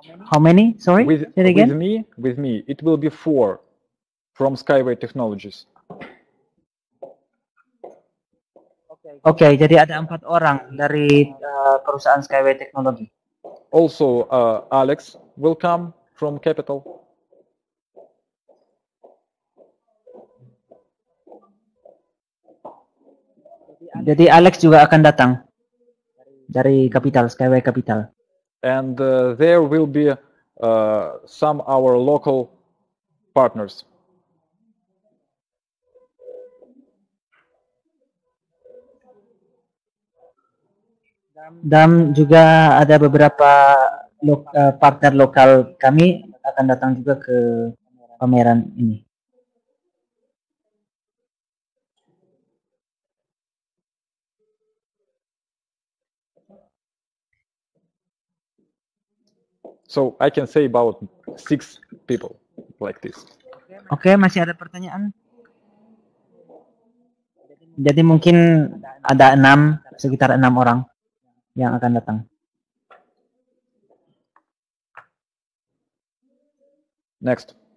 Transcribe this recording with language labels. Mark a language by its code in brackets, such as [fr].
[en] How many? Sorry, say it again. With me, it will be 4 from Skyway Technologies. [id] Oke, jadi ada 4 orang dari perusahaan Skyway Technology. [en] Also, Alex will come from Capital. [id] Jadi Alex juga akan datang dari Capital, Skyway Capital. [en] And there will be some our local partners. [id] Dan juga ada beberapa partner lokal kami akan datang juga ke pameran ini. [en] So I can say about 6 people like this. [id] Okay, masih ada pertanyaan? Jadi mungkin ada 6, sekitar 6 orang yang akan datang. [en] Next.